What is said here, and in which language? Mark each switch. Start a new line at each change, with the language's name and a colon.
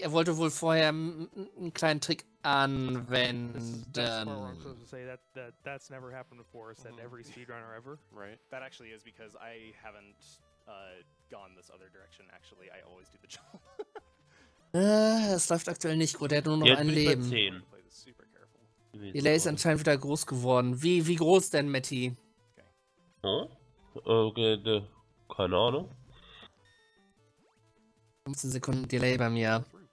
German: Er wollte wohl vorher einen kleinen Trick anwenden.
English: That's never happened before. Said every speedrunner ever. Right. That actually is because I haven't gone this other direction. Actually, I always do the jump.
German: Es läuft aktuell nicht gut. Er hat nur noch ein Leben. Delay ist anscheinend wieder groß geworden. Wie groß denn, Matty? Okay, keine Ahnung. 15 Sekunden Delay bei mir.